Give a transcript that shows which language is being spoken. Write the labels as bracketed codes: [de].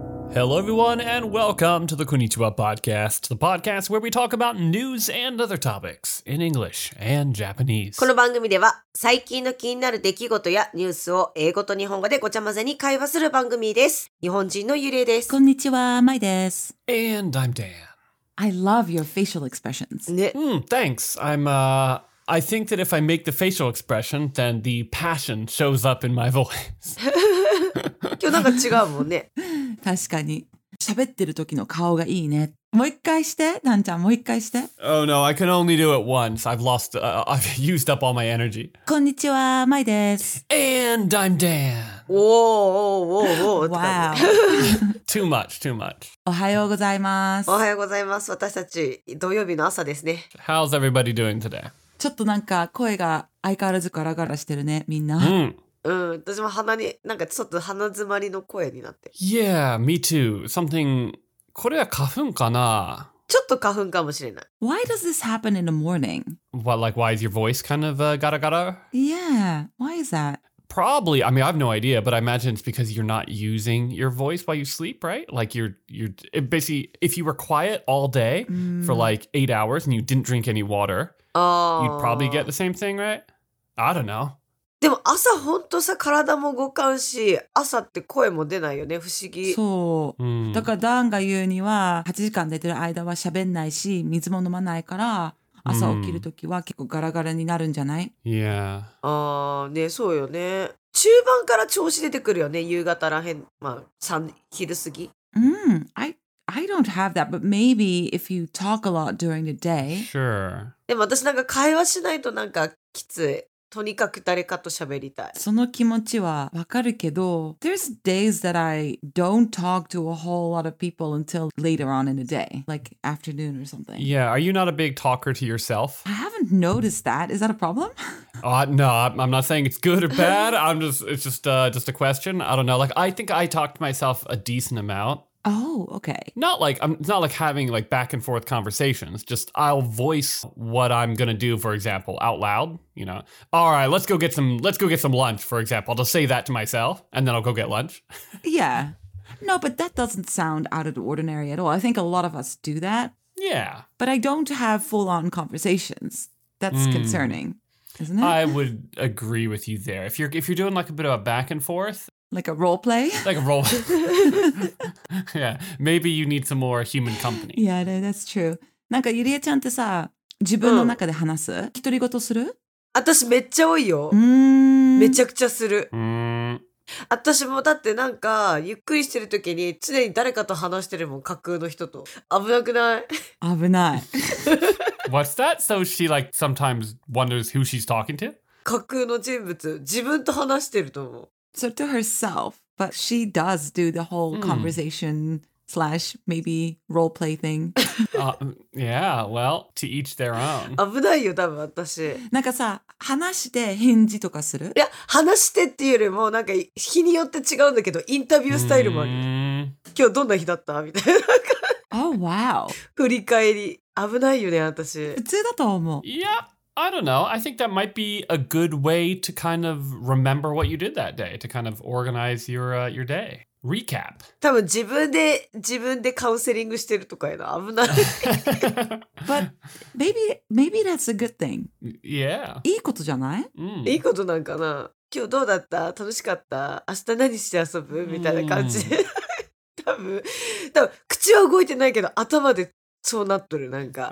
[en] Hello, everyone, and welcome to the Konnichiwa Podcast, the podcast where we talk about news and other topics in English and Japanese. [ja] この番組では最近の気になる出来事やニュースを英語と日本語でごちゃ混ぜに会話する番組です。日本人のゆれです。こんにちは、まいです。 [en] And I'm Dan. I love your facial expressions. Thanks. I think that if I make the facial expression, then the passion shows up in my voice. [ja] 今日なんか違うもんね。確かに。喋ってる時の顔がいいね。もう一回して、ダンちゃん、もう一回して。 [en] Oh no, I can only do it once. I've used up all my energy. [ja] こんにちは、マイです。 [en] And I'm Dan. Whoa. Wow. too much. [ja] おはようございます。おはようございます。私たち、土曜日の朝ですね。 [en] How's everybody doing today? [ja] ちょっとなんか声が相変わらずガラガラしてるね、みんな。私も鼻に、なんかちょっと鼻詰まりの声になってる。 [en] Yeah, me too. Something... [ja] これは花粉かな? ちょっと花粉かもしれない。 [en] Why does this happen in the morning? What, like, why is your voice kind of ガラガラ? Yeah, why is that? Probably, I mean, I have no idea, but I imagine it's because you're not using your voice while you sleep, right? Like, you're basically, if you were quiet all day for like 8 hours and you didn't drink any water... You'd probably get the same thing, right? I don't know. [ja] でも朝本当さ体も動かんし朝って声も出ないよね不思議。そう。だからダンが言うには8時間寝てる間は喋んないし水も飲まないから朝起きるときは結構ガラガラになるんじゃない [en] Yeah. [ja] ああねそうよね。中盤から調子出てくるよね夕方らへん、まあ、昼過ぎ。 [en] I don't have that, but maybe if you talk a lot during the day. Sure. [ja] でも私なんか会話しないとなんかきつい。とにかく誰かと喋りたい。その気持ちはわかるけど、 [en] There's days that I don't talk to a whole lot of people until later on in the day, like afternoon or something. Yeah, are you not a big talker to yourself? I haven't noticed that. Is that a problem? No, I'm not saying it's good or bad. It's just a question. I don't know. Like, I think I talk to myself a decent amount. Oh, okay. It's not like having like back and forth conversations. Just I'll voice what I'm going to do, for example, out loud. You know, all right, let's go get some lunch, for example. I'll just say that to myself and then I'll go get lunch. Yeah. No, but that doesn't sound out of the ordinary at all. I think a lot of us do that. Yeah. But I don't have full on conversations. That's concerning, isn't it? I would agree with you there. If you're doing like a bit of a back and forth. Like a role play? Like a role play. Yeah, maybe you need some more human company. Yeah, that's true. [ja] なんかゆりえちゃんってさ、自分の中で話す? 独り言する? 私めっちゃ多いよ。めちゃくちゃする。私もだってなんかゆっくりしてる時に常に誰かと話してるもん、架空の人と。危なくない? 危ない。 [en] What's that? So she like sometimes wonders who she's talking to? [ja] 架空の人物、自分と話してると思う。 [en] So to herself, but she does do the whole conversation / maybe role play thing. yeah, well, to each their own. [ja] 危ないよ、多分私。なんかさ、話して返事とかする？いや、話してっていうよりもなんか日によって違うんだけど、インタビュースタイルもある。今日どんな日だった？みたいな。 [en] Oh, wow. [ja] 振り返り。危ないよね、私。普通だと思う。いや。 [en] I don't know. I think that might be a good way to kind of remember what you did that day, to kind of organize your day. Recap. [ja] 多分自分でカウンセリングしてるとかやな。危ない。 [en] But maybe that's a good thing. Yeah. [ja] いいことじゃない? いいことなんかな。今日どうだった?楽しかった? 明日何して遊ぶ?みたいな感じ。多分口は動いてないけど頭でそうなっとるなんか。